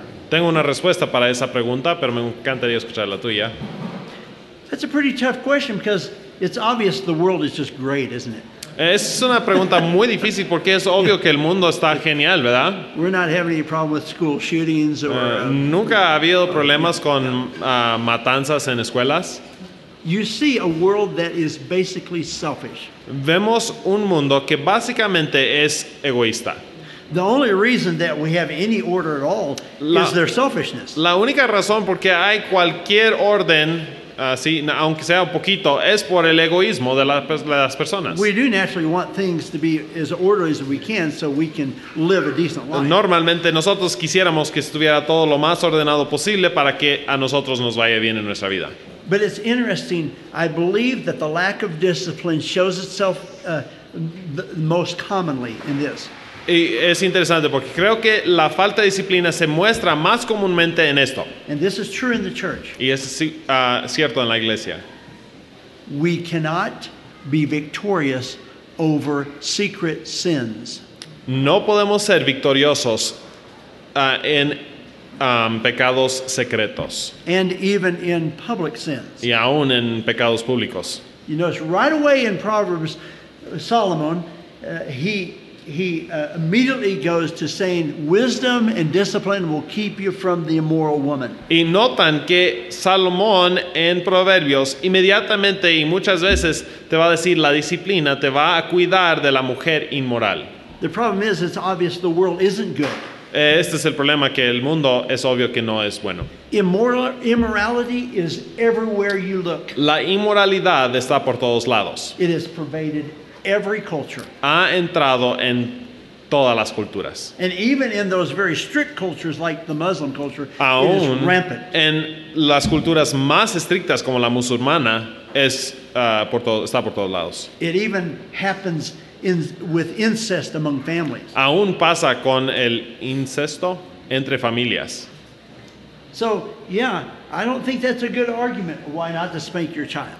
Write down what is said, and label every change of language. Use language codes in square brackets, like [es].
[es] Tengo una respuesta para esa pregunta, pero me encantaría escuchar la tuya. [en] That's a pretty tough question because it's obvious the world is just great, isn't it? [es] Es una pregunta muy difícil porque es obvio que el mundo está genial, ¿verdad? [en] We're not having any problem with school shootings or, [es] nunca ha habido problemas con matanzas en escuelas. [en] You see a world that is basically selfish. [es] Vemos un mundo que básicamente es egoísta. [en] The only reason that we have any order at all is their selfishness. [es] La única razón porque hay cualquier orden sí, aunque sea un poquito, es por el egoísmo de las personas. [en] We do naturally want things to be as orderly as we can so we can live a decent life. [es] Normalmente nosotros quisiéramos que estuviera todo lo más ordenado posible para que a nosotros nos vaya bien en nuestra vida. [en] But it's interesting, I believe that the lack of discipline shows itself most commonly in this. [es] Y es interesante porque creo que la falta de disciplina se muestra más comúnmente en esto. [en] And this is true in the church. [es] Y es cierto en la iglesia. [en] We cannot be victorious over secret sins. [es] No podemos ser victoriosos en pecados secretos. [en] And even in public sins. [es] Y aún en pecados públicos. [en] You notice right away in Proverbs, Solomon, he immediately goes to saying wisdom and discipline will keep you from the immoral woman. [es] Y notan que Salomón en Proverbios inmediatamente y muchas veces te va a decir la disciplina te va a cuidar de la mujer inmoral. [en] The problem is it's obvious the world isn't good. [es] Este es el problema que el mundo es obvio que no es bueno. [en] Immorality is everywhere you look. [es] La inmoralidad está por todos lados. [en] It is pervaded. Every culture. [es] Ha entrado en todas las culturas. [en] And even in those very strict cultures like the Muslim culture, it is rampant. [es] En las culturas más estrictas como la musulmana es por todo, está por todos lados. [en] It even happens in, with incest among families. [es] Aún pasa con el incesto entre familias. [en] So, yeah, I don't think that's a good argument why not to spank your child.